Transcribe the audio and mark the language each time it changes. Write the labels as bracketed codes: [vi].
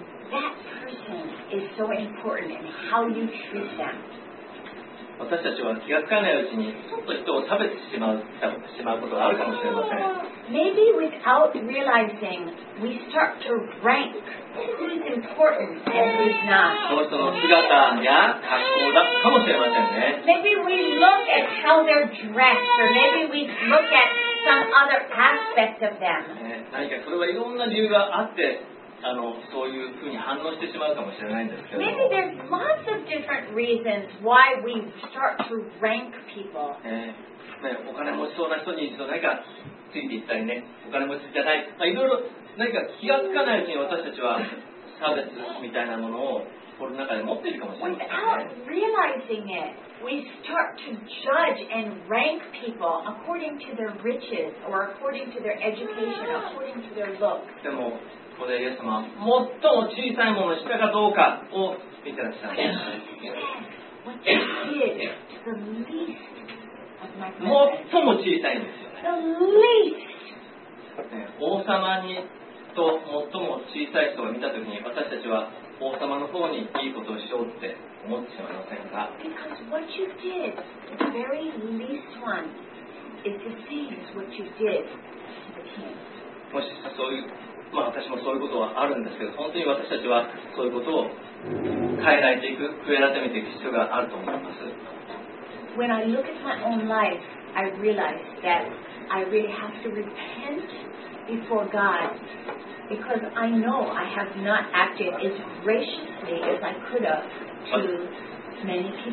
[en] That person is so important in how you treat them. [ja] 私たちは気がつかないうちにちょっと人を差別してしまうことがあるかもしれません。 [en] Maybe without realizing, we start to rank who's important and who's not. [ja] その人の姿や格好だかもしれませんね。 [en] Maybe we look at how they're dressed, or maybe we look at some other aspect of them. [ja] 何かそれはいろんな理由があって、あの、そういうふうに反応してしまうかもしれないんですけど。 [en] Maybe there's lots of different reasons why we start to rank people. [ja] ね、お金持ちそうな人に一度何かついていったりね、お金持ちじゃない、まあ、いろいろ何か気がつかないうちに私たちは差別みたいなものを心の中で持っているかもしれない。 [en] Without realizing it, we start to judge and rank people according to their riches or according to their education, according to their looks. [ja] でも、ここでイエス様、最も小さいものをしたかどうかを見てらっしゃる。 [en] What you did to the least [ja] 最も小さいんですよね。王様にと最も小さい人を見たときに、私たちは王様の方にいいことをしようって思ってしまいませんか？ [en] Because what you did, the very least one, it deceives what you did to the king. [ja] もしそういう、まあ私もそういうことはあるんですけど、本当に私たちはそういうことを変えられていく、悔い改めていく必要があると思います。 [en] When I look at my own life, I realize that I really have to repent before God because I know I have not acted as graciously as I could have to many